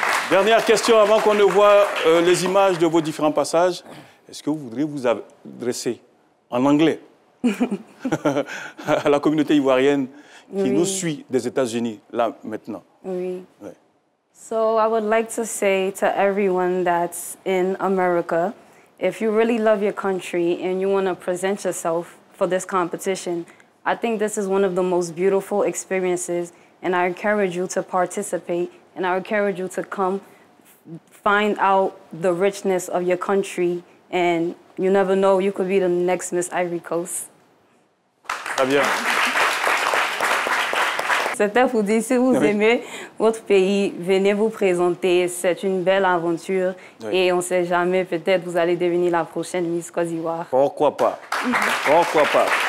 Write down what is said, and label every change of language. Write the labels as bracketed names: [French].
[French] Dernière question avant qu'on ne voit les images de vos différents passages. Est-ce que vous voudriez vous adresser en anglais à la communauté ivoirienne qui oui. nous suit des États-Unis, là, maintenant? Oui. Ouais. [English] So I would like to say to everyone that's in America, if you really love your country and you want to present yourself for this competition, I think this is one of the most beautiful experiences and I encourage you to participate. And I encourage you to come, find out the richness of your country, and you never know, you could be the next Miss Ivory Coast. [French] Très bien. C'était pour dire, si vous oui. aimez votre pays, venez vous présenter, c'est une belle aventure, oui. et on ne sait jamais, peut-être vous allez devenir la prochaine Miss Côte d'Ivoire. Pourquoi pas? Pourquoi pas?